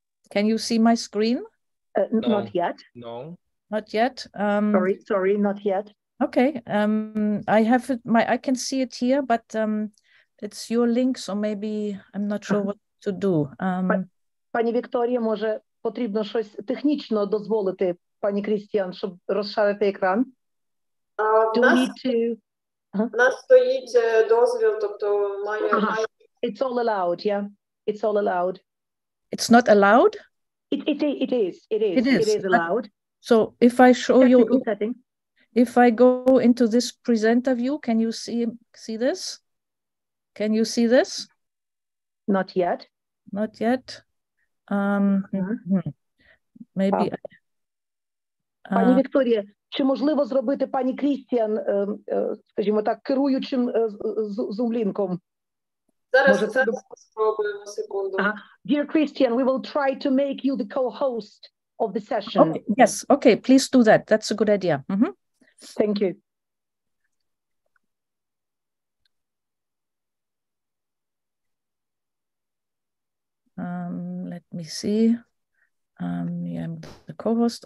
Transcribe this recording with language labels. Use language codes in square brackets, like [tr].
[en] Can you see my screen? Not yet. No. Not yet. Sorry, not yet. Okay. I can see it here, but it's your link, so maybe I'm not sure what to do. [uk] Пані Вікторія, може потрібно щось технічно дозволити пані Крістіан, щоб розшарити екран? У нас стоїть дозвіл, тобто має. [en] It's all allowed, yeah. It's all allowed. It's not allowed? It is allowed. So if I show technical you setting. If I go into this presenter view, can you see this? Can you see this? Not yet. Not yet. Maybe [uk] Пані Вікторія, чи можливо зробити пані Крістіан, скажімо так, керуючим зумлінком? Зараз спробуємо секунду. [en] Dear Christian, we will try to make you the co-host of the session. Okay. Yes, okay, please do that. That's a good idea. Mm-hmm. Thank you. Let me see. Yeah, I'm the co-host.